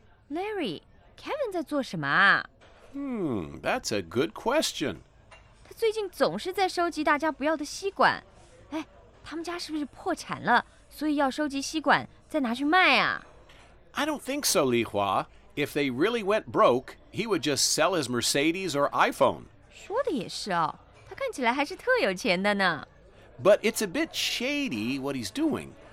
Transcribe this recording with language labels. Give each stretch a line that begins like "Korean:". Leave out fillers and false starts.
Chinese: Larry， Kevin 在做什么啊？
English: That's a good question。
Chinese: 他最近总是在收集大家不要的吸管。哎，他们家是不是破产了，所以要收集吸管再拿去卖啊？
English: I don't think so, Li Hua. If they really went broke, he would just sell his Mercedes or iPhone.
Chinese: 说的也是哦，他看起来还是特有钱的呢。
English: But it's a bit shady what he's doing.